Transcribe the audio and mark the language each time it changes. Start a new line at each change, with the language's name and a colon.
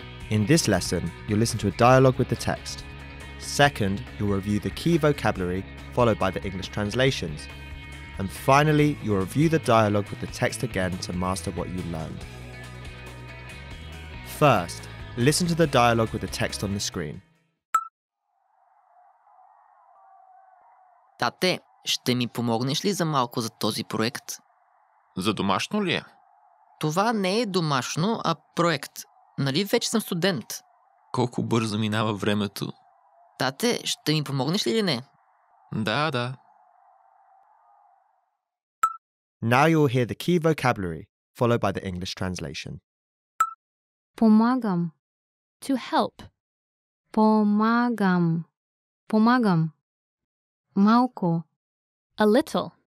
English: In this lesson, you'll listen to a dialogue with the text. Second, you'll review the key vocabulary followed by the English translations. And finally, you'll review the dialogue with the text again to master what you learned. First, listen to the dialogue with the text on the screen.
Bulgarian: Тате, ще ми помогнеш ли за малко за този проект? За домашно ли е? Това не е домашно, а проект. Нали вече съм студент? Колко бързо минава времето. Тате, ще ми помогнеш ли или не? Да, да.
English: Now you'll hear the key vocabulary, followed by the English translation.
Bulgarian: Помагам.
English: To help.
Bulgarian: Помагам. Помагам. Малко.
English: A little.